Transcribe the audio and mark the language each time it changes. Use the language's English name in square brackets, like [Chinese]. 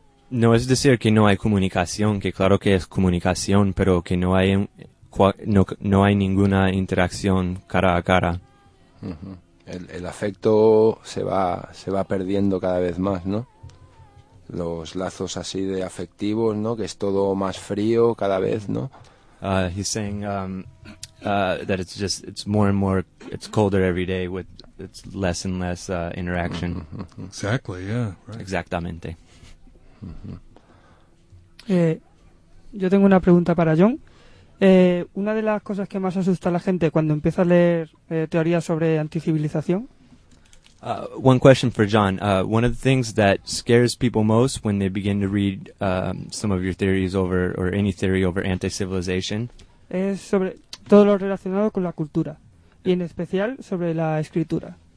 [Spanish] No es decir que no hay comunicación, que claro que es comunicación, pero que no hay ninguna interacción cara a cara. Uh-huh. El afecto se va perdiendo cada vez más, ¿no? Los lazos así de afectivos, ¿no? Que es todo más frío cada vez, ¿no? [English] He's saying that it's more and more, it's colder every day with it's less and less interaction. Mm-hmm. Exactly, yeah. Right. [Spanish] Exactamente. Mm-hmm. Yo tengo una pregunta para John. Una de las cosas que más asusta a la gente cuando empieza a leer teorías sobre anticivilización. [English] One question for John. One of the things that scares people most when they begin to read some of your theories over, or any theory over anti-civilization, [Spanish] es sobre todo lo relacionado con la cultura, y en especial sobre la escritura.